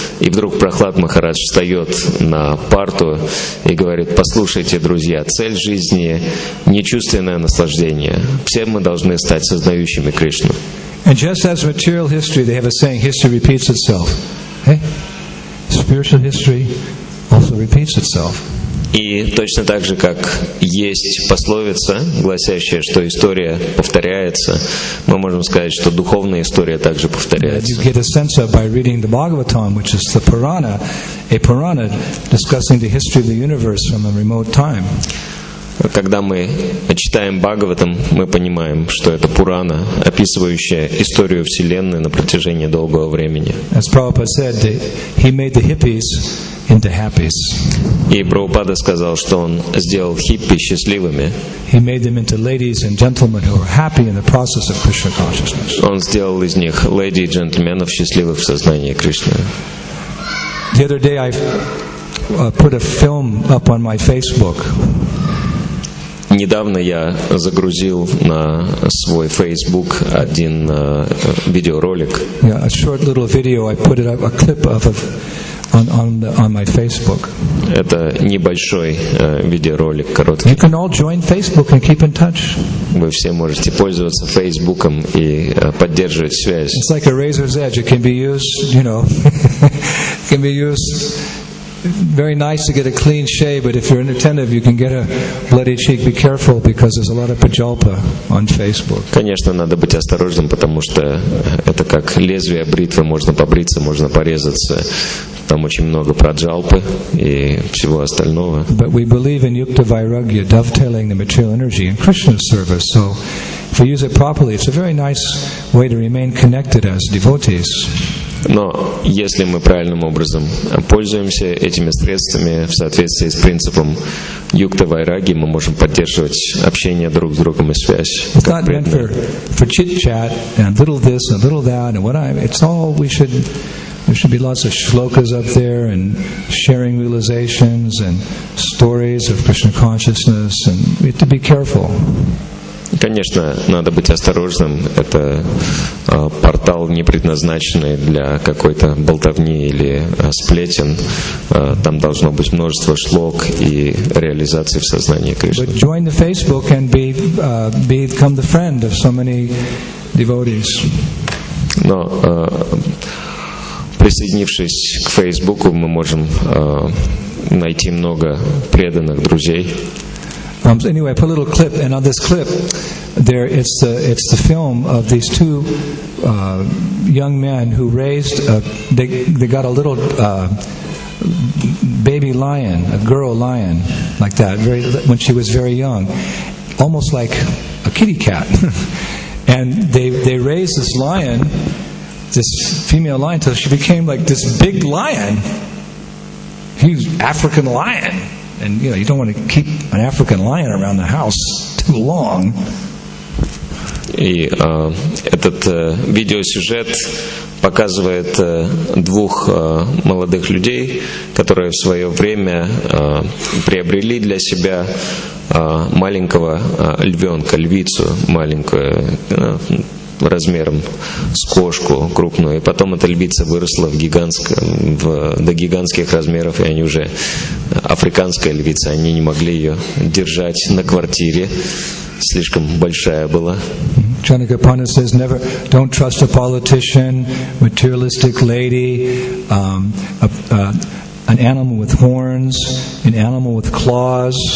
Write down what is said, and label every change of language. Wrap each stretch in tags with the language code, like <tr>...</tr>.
<ru>И вдруг Прохлад Махарадж встает на парту и говорит: «Послушайте, друзья, цель жизни — нечувственное наслаждение. Все мы должны стать сознающими Кришну».</ru> <en>And just as material history, they have a saying, history repeats itself. Hey? Spiritual history also repeats itself.</en> <ru>И точно так же, как есть пословица, гласящая, что история повторяется, мы можем сказать, что духовная история также повторяется.</ru> <en>You get a sense of by reading the Bhagavatam, which is the Purana, a Purana discussing the history of the universe from a remote time.</en> <ru>Когда мы читаем Бхагаватам, мы понимаем, что это Пурана, описывающая историю Вселенной на протяжении долгого времени.</ru> <en>As Prabhupada said, he made the hippies into happies.</en> <ru>И Прабхупада сказал, что он сделал хиппи счастливыми.</ru> <en>He made them into ladies and gentlemen who are happy in the process of Krishna consciousness.</en> <ru>Он сделал из них леди и джентльменов счастливых в сознании Кришны.</ru> <en>The other day I put a film up on my Facebook.</en> <ru>Недавно я загрузил на свой Facebook один видеоролик.</ru> <en>Yeah, a short little video. I put it up, a clip of on my Facebook.</en> <ru>Это небольшой видеоролик, короткий.</ru> <en>You can all join Facebook and keep in touch.</en> <ru>Вы все можете пользоваться Facebook'ом и поддерживать связь.</ru> <en>It's like a razor's edge. It can be used, you know, can be used very nice to get a clean shave, but if you're inattentive, you can get a bloody cheek. Be careful, because there's a lot of pajalpa on Facebook.</en> <ru>Конечно, надо быть осторожным, потому что это как лезвие бритвы, можно побриться, можно порезаться. Там очень много праджалпы и всего остального.</ru> <en>But we believe in yukta vairagya, dovetailing the material energy in Krishna's service. So if we use it properly, it's a very nice way to remain connected as devotees.</en> <ru>Но если мы правильным образом пользуемся этими средствами в соответствии с принципом юкта вайраги, мы можем поддерживать общение друг с другом и связь.</ru> <en>It's not meant for chit-chat and a little this and a little that and what I'm. It's all we should. There should be lots of shlokas up there and sharing realizations and stories of Krishna consciousness, and we have to be careful.</en> <ru>Конечно, надо быть осторожным. Это портал, не предназначенный для какой-то болтовни или сплетен. Там должно быть множество шлок и реализации в сознании Кришны.</ru> <en>But join the Facebook and become the friend of so many devotees.</en> <ru>Но присоединившись к Фейсбуку, мы можем найти много преданных друзей.</ru> <en>Anyway, I put a little clip, and on this clip, there it's the film of these two young men who raised they got a little baby lion, a girl lion, like that, when she was very young, almost like a kitty cat, and they raised this lion, this female lion, till she became like this big lion, huge African lion. And you know, you don't want to keep an African lion around the house too long.</en> <ru>И этот видеосюжет показывает двух молодых людей, которые в свое время приобрели для себя маленького львенка, львицу маленькую, размером с кошку крупную, и потом эта львица выросла до гигантских размеров, и они уже африканская львица, они не могли ее держать на квартире, слишком большая была.</ru> <en>Chanaka Panda says never, don't trust a politician, materialistic lady, an animal with horns, an animal with claws.</en>